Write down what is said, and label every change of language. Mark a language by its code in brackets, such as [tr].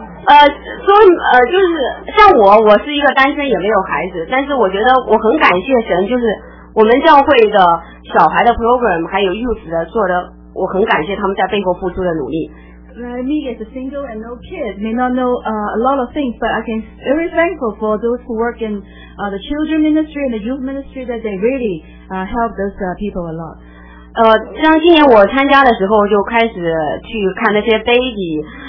[zh] 说就是像我是一个单身也没有孩子，但是我觉得我很感谢神，就是我们教会的小孩的 program 还有 youth 的做的，我很感谢他们在背后付出的努力。 [en] Me as a single and no kids may not know a lot of things, but I can very thankful for those who work in the children ministry and the youth ministry that they really help those people a lot. [zh] 像今年我参加的时候就开始去看那些 baby。